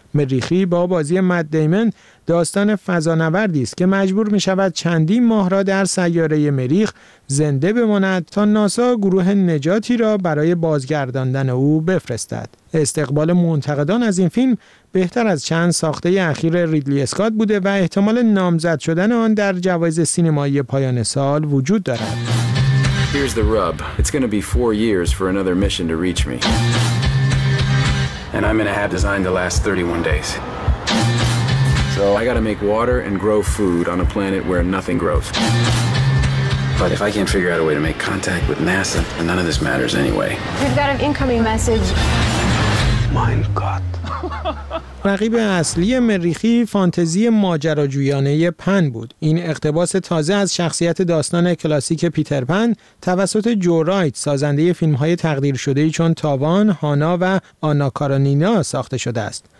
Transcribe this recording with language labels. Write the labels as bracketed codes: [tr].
[fa] مریخی با بازی مد دیمن داستان فضانوردی است که مجبور می شود چندین ماه را در سیاره مریخ زنده بماند تا ناسا گروه نجاتی را برای بازگرداندن او بفرستد. استقبال منتقدان از این فیلم بهتر از چند ساخته اخیر ریدلی اسکات بوده و احتمال نامزد شدن آن در جوایز سینمایی پایان سال وجود دارد. [en] Here's the rub. It's going to be 4 years for another mission to reach me. And I'm going to have designed the last 31 days. So I got to make water and grow food on a planet where nothing grows. But if I can't figure out a way to make contact with NASA, then none of this matters anyway. We've got an incoming message. [de] Mein Gott. [fa] رقیب اصلی مریخی فانتزی ماجراجویانه پن بود. این اقتباس تازه از شخصیت داستان کلاسیک پیتر پن توسط جو رایت، سازنده فیلم‌های تقدیر شده چون تاوان، هانا و آنا کارانینا ساخته شده است.